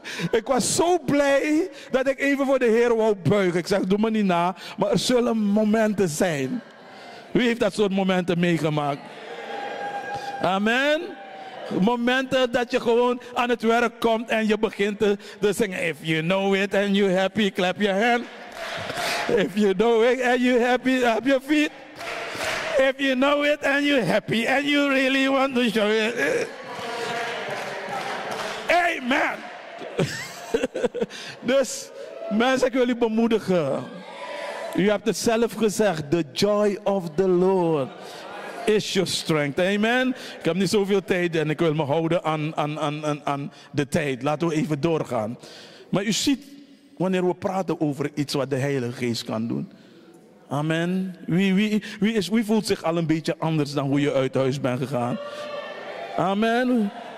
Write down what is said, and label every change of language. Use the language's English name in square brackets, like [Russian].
[Dutch] Ik was zo blij dat ik even voor de Heer wou buigen. Ik zeg, doe me niet na, maar er zullen momenten zijn. Wie heeft dat soort momenten meegemaakt? Amen. Momenten dat je gewoon aan het werk komt en je begint te zingen. [English] If you know it and you're happy, clap your hand. If you know it and you're happy, clap your feet. If you know it and you're happy and you really want to show it. [Dutch] Amen. Dus mensen, ik wil u bemoedigen. U hebt het zelf gezegd. [English] The joy of the Lord is your strength. [Dutch] Amen. Ik heb niet zoveel tijd en ik wil me houden aan de tijd. Laten we even doorgaan. Maar u ziet, wanneer we praten over iets wat de Heilige Geest kan doen. Amen. Wie voelt zich al een beetje anders dan hoe je uit huis bent gegaan? Amen.